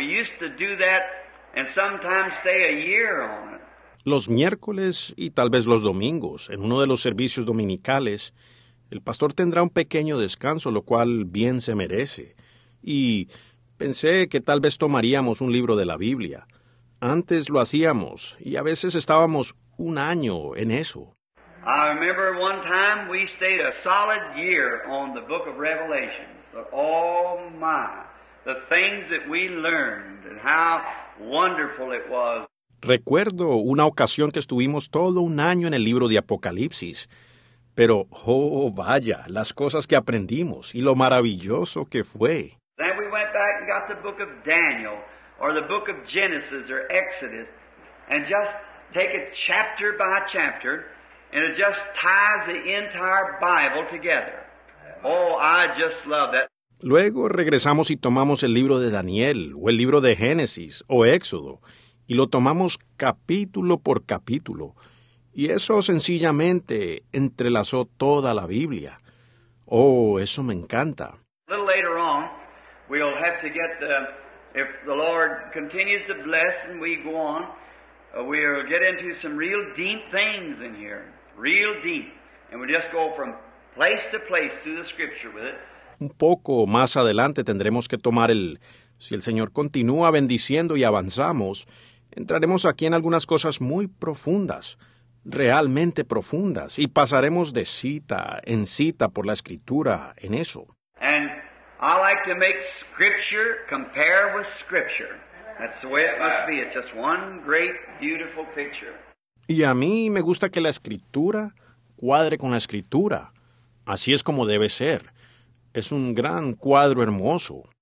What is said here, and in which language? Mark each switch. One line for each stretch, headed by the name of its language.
English: We used to do that and sometimes stay a year on it.
Spanish: Los miércoles y tal vez los domingos, en uno de los servicios dominicales, el pastor tendrá un pequeño descanso, lo cual bien se merece. Y pensé que tal vez tomaríamos un libro de la Biblia. Antes lo hacíamos, y a veces estábamos un año en eso.
English: I remember one time we stayed a solid year on the book of Revelation. But oh my, the things that we learned and how wonderful it was.
Spanish: Recuerdo una ocasión que estuvimos todo un año en el libro de Apocalipsis. Pero, oh, vaya, las cosas que aprendimos y lo maravilloso que fue.
English: Then we went back and got the book of Daniel, or the book of Genesis, or Exodus, and just take it chapter by chapter, and it just ties the entire Bible together. Oh, I just love that.
Spanish: Luego regresamos y tomamos el libro de Daniel, o el libro de Génesis, o Éxodo, y lo tomamos capítulo por capítulo. Y eso sencillamente entrelazó toda la Biblia. Oh, eso me encanta.
English: A little later on, we'll have to get the, if the Lord continues to bless and we go on, we'll get into some real deep things in here. Real deep. And we'll just go from place to place through the Scripture with it.
Spanish: Un poco más adelante tendremos que tomar el, si el Señor continúa bendiciendo y avanzamos, entraremos aquí en algunas cosas muy profundas. Realmente profundas, y pasaremos de cita en cita por la Escritura en eso.
English: And I like to make Scripture compare with Scripture. That's the way it must be. It's just one great, beautiful picture.
Spanish: Y a mí me gusta que la Escritura cuadre con la Escritura. Así es como debe ser. Es un gran cuadro hermoso.